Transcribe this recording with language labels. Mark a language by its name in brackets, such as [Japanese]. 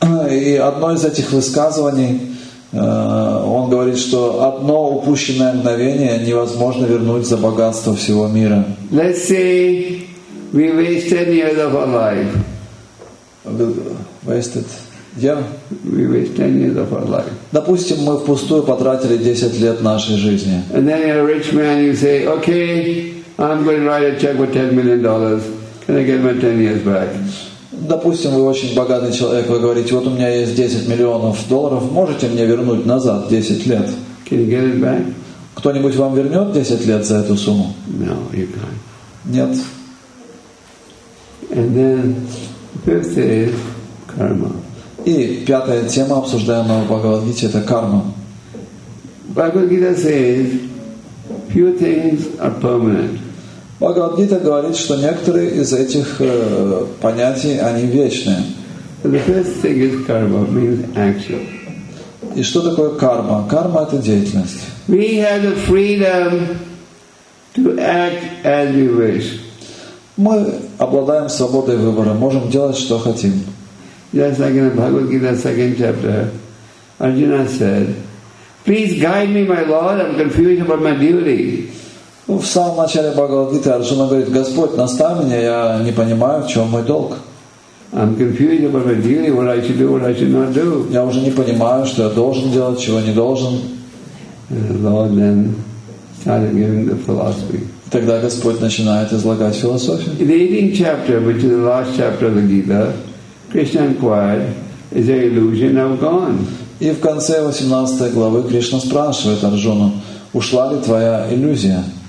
[Russian] И одно из этих высказываний, он говорит, что одно упущенное мгновение невозможно вернуть за богатство всего мира. [English] Let's say we waste 10 years of our life. Wasted. Yeah. We waste 10 years of our life. [Russian] Допустим, мы впустую потратили 10 лет нашей жизни. [English] And then you're a rich man, you say, okay, I'm going to write a check for $10 million. Can I get my 10 years back? [Russian] Допустим, вы очень богатый человек, вы говорите, вот у меня есть 10 миллионов долларов, можете мне вернуть назад 10 лет? [English] Can you get it back? [Russian] Кто-нибудь вам вернет 10 лет за эту сумму? [English] No, you can't. [Russian] Нет. [English] And then, fifth is karma. [Russian] И пятая тема, обсуждаемая в Бхагавад-гите, это карма. [English] Бхагавад-гита says, few things are permanent. [Russian] Бхагавад-гита говорит, что некоторые из этих понятий, они вечные. [English] So the first thing is karma, means action. [Russian] И что такое карма? Карма — это деятельность. [English] We have the freedom to act as we wish. [Russian] Мы обладаем свободой выбора, можем делать, что хотим. [English] Just like in the Bhagavad Gita, second chapter, Arjuna said, "Please guide me, my Lord. I'm confused about my duty." [Russian] В самом начале Бхагавад Гиты Арджуна говорит: «Господь, наставь меня, я не понимаю, в чем мой долг». [English] I'm confused about my duty. What I should do, what I should not do. [Russian] Я уже не понимаю, что я должен делать, чего не должен. [English] Lord then started giving the philosophy. [Russian] Тогда Господь начинает излагать философию. [English] In the 18th chapter, which is the last chapter of the Gita, Krishna inquired, "Is there illusion now gone?" [Russian] И в конце 18 главы Кришна спрашивает Арджуну: «Ушла ли твоя иллюзия?»